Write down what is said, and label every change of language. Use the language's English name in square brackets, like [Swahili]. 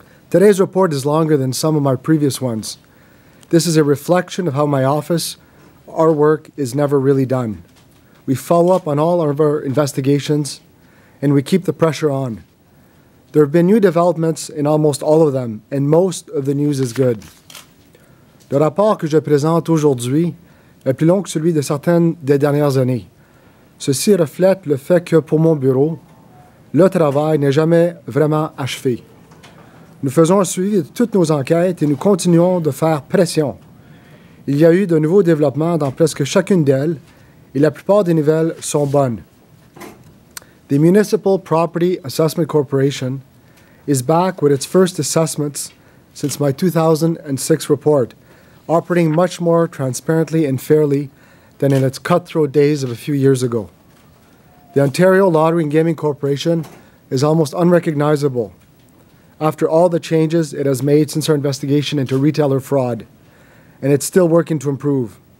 [English] Today's report is longer than some of my previous ones. This is a reflection of how my office, our work, is never really done. We follow up on all of our investigations, and we keep the pressure on. There have been new developments in almost all of them, and most of the news is good. [French] Le rapport que je présente aujourd'hui est plus long que celui de certaines des dernières années. Ceci reflète le fait que pour mon bureau, le travail n'est jamais vraiment achevé. Nous faisons un suivi de toutes nos enquêtes et nous continuons de faire pression. Il y a eu de nouveaux développements dans presque chacune d'elles et la plupart des nouvelles sont bonnes. [English] The Municipal Property Assessment Corporation is back with its first assessments since my 2006 report, operating much more transparently and fairly than in its cutthroat days of a few years ago. The Ontario Lottery and Gaming Corporation is almost unrecognizable after all the changes it has made since our investigation into retailer fraud, and it's still working to improve.